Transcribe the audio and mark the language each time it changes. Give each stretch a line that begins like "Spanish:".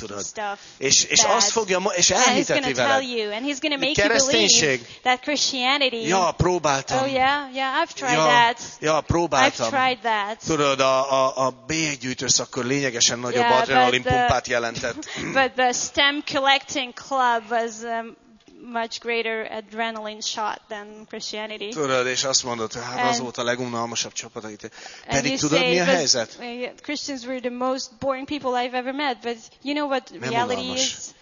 Hungarian: tudod.
English: Stuff,
Hungarian: és azt fogja, és elhiteti veled, a keresztény
English: that Christianity.
Hungarian: Ja, próbáltam.
English: Oh yeah, I've tried that.
Hungarian: Ja, próbáltam.
English: I've tried that.
Hungarian: Tudod, a bélyeggyűjtőszakkör lényegesen nagyobb adrenalin pumpát jelentett.
English: But the stem collecting club was a much greater adrenaline shot than Christianity.
Hungarian: Tudod, és azt mondod, hát az volt a legunalmasabb csapat, itt. Pedig tudod, mi a helyzet?
English: Christians were the most boring people I've ever met, but you know what reality is?